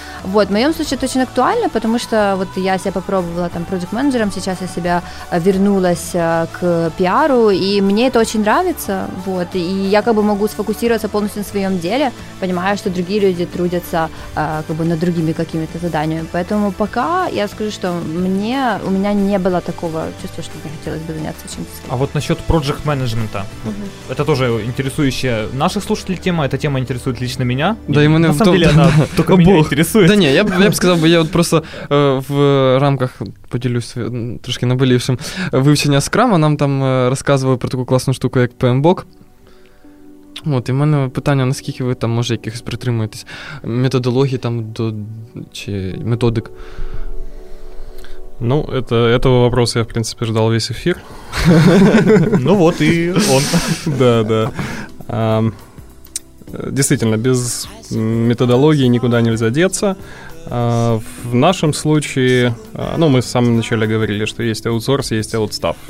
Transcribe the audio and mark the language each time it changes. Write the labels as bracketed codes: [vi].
[ru] Вот, в моем случае это очень актуально, потому что вот я себя попробовала там продакт-менеджером, сейчас я себя вернулась к пиару, и мне это очень нравится, вот, и я как бы могу сфокусироваться полностью на своем деле, понимая, что другие люди трудятся как бы над другими какими-то заданиями, поэтому пока я скажу, что у меня не было такого чувства, что мне хотелось бы заняться чем-то. А вот насчет проджект-менеджмента, mm-hmm. это тоже интересующая наших слушателей тема, эта тема интересует лично меня, да, и на самом деле она только меня интересует. [uk] Да не, я б сказав, бо я от просто в рамках поділюсь трошки наболівшим вивчення скрама. Нам там розказували про таку класну штуку, як PMBOK. От, і в мене питання, наскільки ви там, може, якихось притримуєтесь методології там чи методик? [ru] Ну, этого вопроса я, в принципе, ждал весь эфир. Ну вот и он. Да, да. Действительно, без методологии никуда нельзя деться. В нашем случае, ну, мы в самом начале говорили, что есть аутсорс, есть аутстаф.